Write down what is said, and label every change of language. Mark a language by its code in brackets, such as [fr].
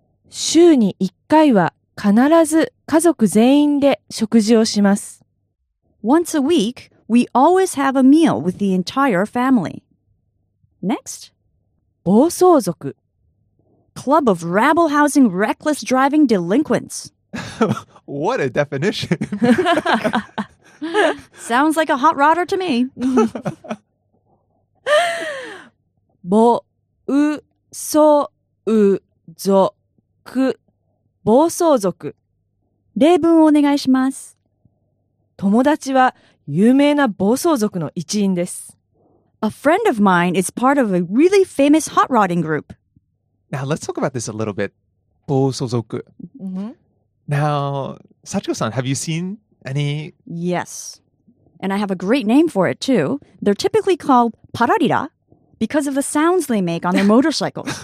[ja] 週に一回は必ず家族全員で食事をします。 [en] Once a week, we always have a meal with the entire family. Next. [ja] 暴走族 [en] Club of rabble-housing reckless driving delinquents. What a definition. Sounds like a hot rodder to me. [ja] 暴走族暴走族例文をお願いします友達は有名な暴走族の一員です [en] A friend of mine is part of a really famous hot rodding group Now let's talk about this a little bit 暴走族、 mm-hmm. Now, Sachiko-san, have you seen any? Yes, and I have a great name for it too They're typically called pararira Because of the sounds they make on their motorcycles.